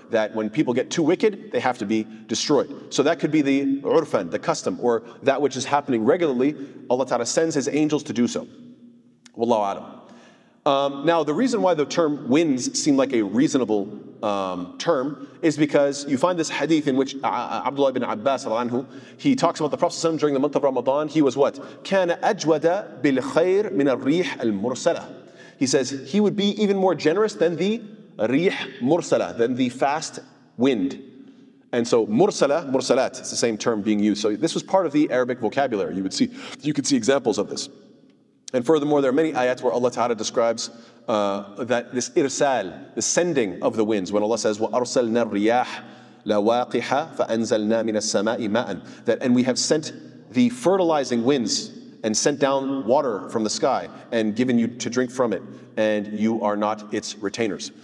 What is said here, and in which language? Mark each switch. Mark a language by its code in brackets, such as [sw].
[en] That when people get too wicked, they have to be destroyed. So that could be the urfan, the custom, or that which is happening regularly, Allah Ta'ala sends his angels to do so. Wallahu a'lam. Now, the reason why the term winds seem like a reasonable term is because you find this hadith in which Abdullah ibn Abbas, he talks about the Prophet ﷺ during the month of Ramadan, he was what? [ar] كان أجود بالخير من الريح المرسلة. [en] He says he would be even more generous than the rih mursala, than the fast wind. And so mursala, mursalat, it's the same term being used. So this was part of the Arabic vocabulary. You could see examples of this. And furthermore, there are many ayats where Allah Ta'ala describes that this irsal, the sending of the winds, when Allah says, [ar] وَأَرْسَلْنَا الرِّيَاحَ لَوَاقِحَ فَأَنزَلْنَا مِنَ السَّمَاءِ مَاءً, [en] that, and we have sent the fertilizing winds and sent down water from the sky and given you to drink from it, and you are not its retainers.